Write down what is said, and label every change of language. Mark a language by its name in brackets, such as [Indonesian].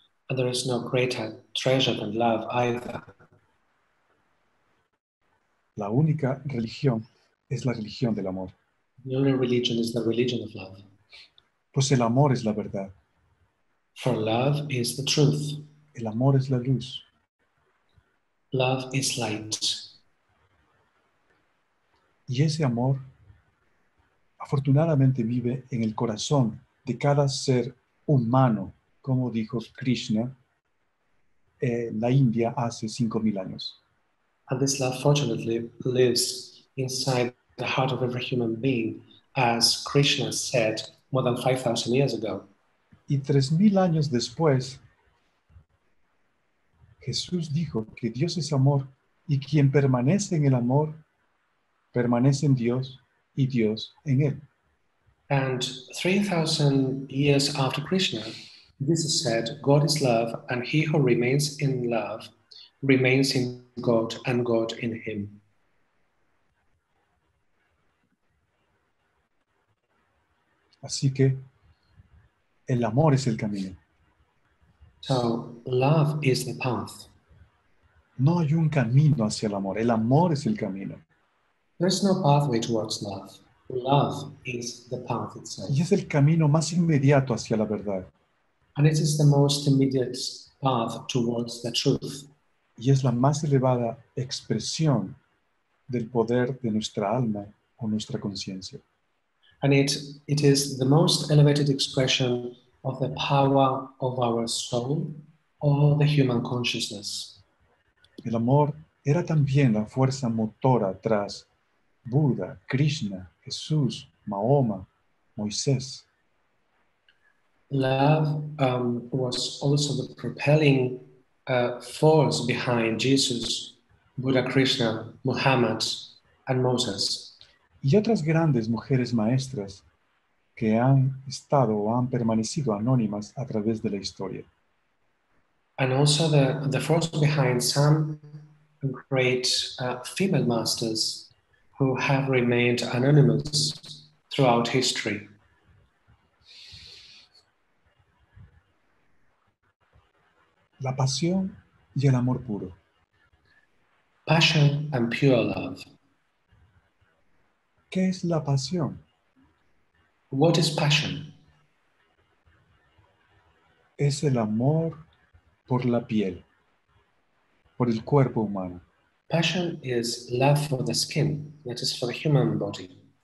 [English] And there is no greater treasure than love either. [Spanish] La única religión es la religión del amor. [English] The only religion is the religion of love. [Spanish] Pues el amor es la verdad. [English] For love is the truth. [Spanish] El amor es la luz. [English] Love is light. [Spanish] Y ese amor, afortunadamente, vive en el corazón de cada ser humano, como dijo Krishna en la India hace 5.000 años. [English] And this love fortunately lives inside the heart of every human being, as Krishna said more than 5,000 years ago. [Spanish] Y 3.000 años después, Jesús dijo que Dios es amor y quien permanece en el amor permanece en Dios y Dios en él. [English] And 3,000 years after Krishna, Jesus said, God is love, and he who remains in love remains in God and God in him. [Spanish] Así que el amor es el camino. [English] So, love is the path. [Spanish] No hay un camino hacia el amor es el camino. [English] There is no pathway towards love. Love is the path itself. [Spanish] Y es el camino más inmediato hacia la verdad. [English] And it is the most immediate path towards the truth. [Spanish] Y es la más elevada expresión del poder de nuestra alma o nuestra conciencia. [English] And it is the most elevated expression of the power of our soul or the human consciousness. [Spanish] El amor era también la fuerza motora tras Buda, Krishna, Jesús, Mahoma, Moisés. [English] Love was also the propelling force behind Jesus, Buddha, Krishna, Muhammad, and Moses. [Spanish] Y otras grandes mujeres maestras que han estado o han permanecido anónimas a través de la historia. [English] And also the force behind some great female masters who have remained anonymous throughout history. [Spanish] La pasión y el amor puro. [English] Passion and pure love. [Spanish] ¿Qué es la pasión? [English] What is passion? [Spanish] Es el amor por la piel, por el cuerpo humano. [English] Passion is love for the skin, that is for the human body.